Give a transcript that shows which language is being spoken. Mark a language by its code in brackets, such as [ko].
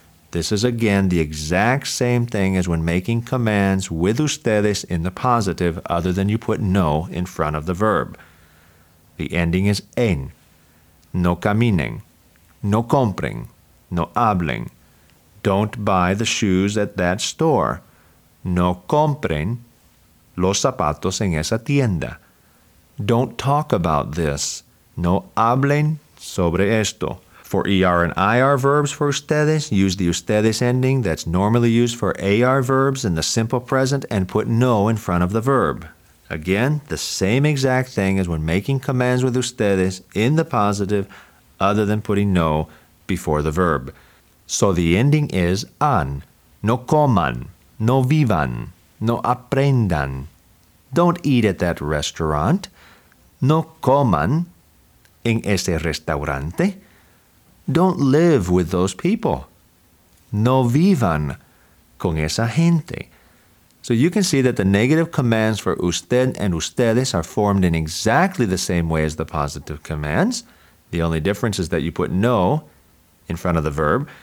[en] This is again the exact same thing as when making commands with ustedes in the positive, other than you put no in front of the verb. The ending is en. [es] No caminen. No compren. No hablen. [en] Don't buy the shoes at that store. [es] No compren los zapatos en esa tienda. [en] Don't talk about this. [es] No hablen sobre esto. [en] For ER and IR verbs for ustedes, use the ustedes ending that's normally used for AR verbs in the simple present and put no in front of the verb. Again, the same exact thing as when making commands with ustedes in the positive, other than putting no before the verb. So the ending is an. [es] No coman. No vivan. No aprendan. [en] Don't eat at that restaurant. [es] No coman en ese restaurante. [en] Don't live with those people. [es] No vivan con esa gente. [en] So you can see that the negative commands for usted and ustedes are formed in exactly the same way as the positive commands. The only difference is that you put no in front of the verb.